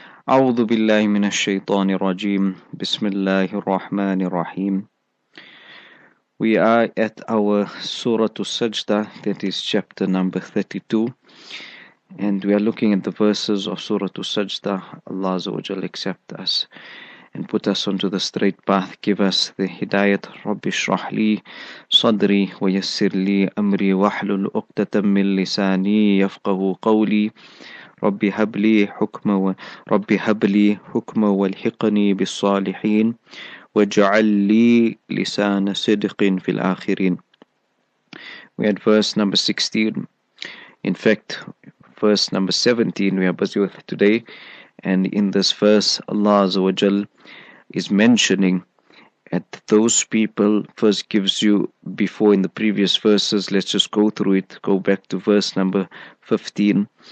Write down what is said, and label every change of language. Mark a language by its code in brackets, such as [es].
[ar] أعوذ بالله من الشيطان الرجيم. بسم الله الرحمن الرحيم. [en] We are at our Surah Al-Sajda, that is chapter number 32. And we are looking at the verses of Surah Al-Sajda. Allah Azza wa Jalla accept us and put us onto the straight path. Give us the hidayat. [ar] Rabbi shrah li sadri wa yassir li amri wa hlul uqdatan min lisani yafqahu qawli. ربي هب لي حكم وربي هب لي حكم والحقني بالصالحين واجعل لي لسان صدق في الآخرين. [en] We had verse number 16. In fact, verse number 17 we are busy with today. And in this verse, Allah Azza wa Jal is mentioning that those people first gives you before in the previous verses. Let's just go through it. Go back to verse number 15.